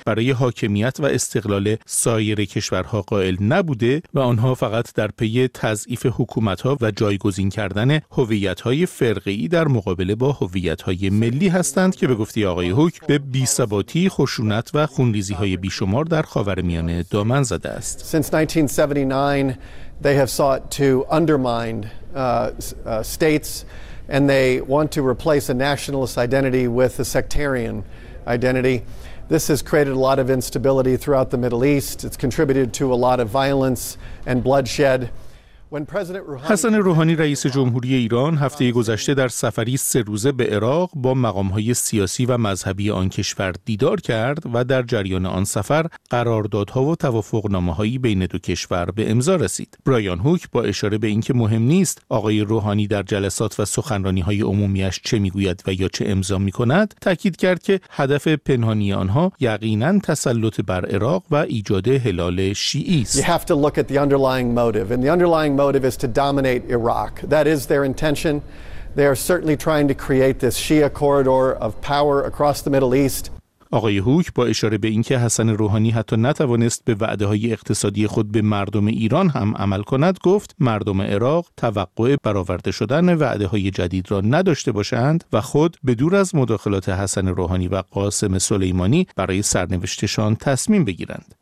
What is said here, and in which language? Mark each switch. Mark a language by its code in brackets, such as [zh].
[fa] برای حاکمیت و استقلال سایر کشورها قائل نبوده و آنها فقط در پی تضعیف حکومت‌ها و جایگزین کردن هویت‌های فرقه‌ای در مقابله با هویت‌های ملی هستند که به گفته آقای هوک به بی‌ثباتی، خشونت و خونریزی‌های بیشمار در خاورمیانه دامن زده است. [en] Since 1979 they have sought to undermine states and they want to replace a nationalist identity with a sectarian identity. This has created a lot of instability throughout the Middle East. It's contributed to a lot of violence and bloodshed. [fa] حسن روحانی رئیس جمهوری ایران هفته گذشته در سفری 3 روزه به عراق با مقام‌های سیاسی و مذهبی آن کشور دیدار کرد و در جریان آن سفر قراردادها و توافق‌نامه‌هایی بین دو کشور به امضا رسید. برایان هوک با اشاره به اینکه مهم نیست آقای روحانی در جلسات و سخنرانی‌های عمومی‌اش چه می‌گوید و یا چه امضا می‌کند، تأکید کرد که هدف پنهانی آنها یقیناً تسلط بر عراق و ایجاد هلال شیعی است. [en] Motive is to dominate Iraq. That is their intention. They are certainly trying to create this Shia corridor of power across the Middle East. [fa] آقای هوک با اشاره به اینکه حسن روحانی حتی نتوانست به وعده‌های اقتصادی خود به مردم ایران هم عمل کند، گفت مردم عراق توقع برآورده شدن وعده‌های جدید را نداشته باشند و خود به دور از مداخلات حسن روحانی و قاسم سلیمانی برای سرنوشتشان تصمیم بگیرند.